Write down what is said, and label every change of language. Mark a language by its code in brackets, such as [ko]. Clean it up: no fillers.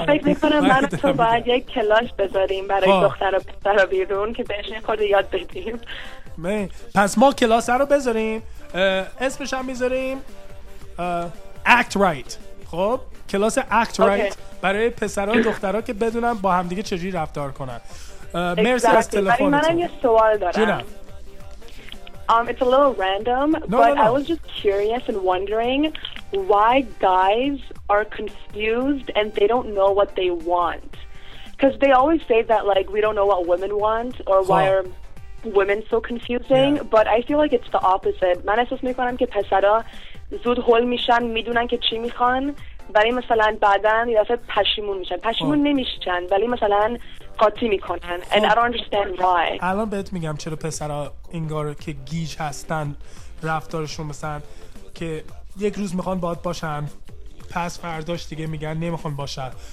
[fa] من فکر میکنم من تو باید یک کلاس بذاریم برای دختر و پسر بیرون که بهشون خود یاد بدیم پس ما کلاس رو بذاریم اسمش هم میذاریم Act Right خب کلاس Act Right برای پسر و دختر ها که بدونن با همدیگه چجوری رفتار کنن مرسی از تلفنتون منم یه سوال دارم جنم. [en] It's a little random, I was just curious and wondering why guys are confused and they don't know what they want. Because they always say that, like, we don't know what women want or why are women so confusing. Yeah. But I feel like it's the opposite. [fa] من احساس میکنم که پسرا زود هول میشن میدونن که چی میخوان ولی مثلا بعدن یه دفعه پشیمون میشن. پشیمون نمیشن ولی مثلا قاطی میکنن. الان بهت میگم چرا پسرها انگار که گیج هستن رفتارشون مثلا که یک روز میخوان باهات باشن پس فرداش دیگه میگن نمیخوان باشن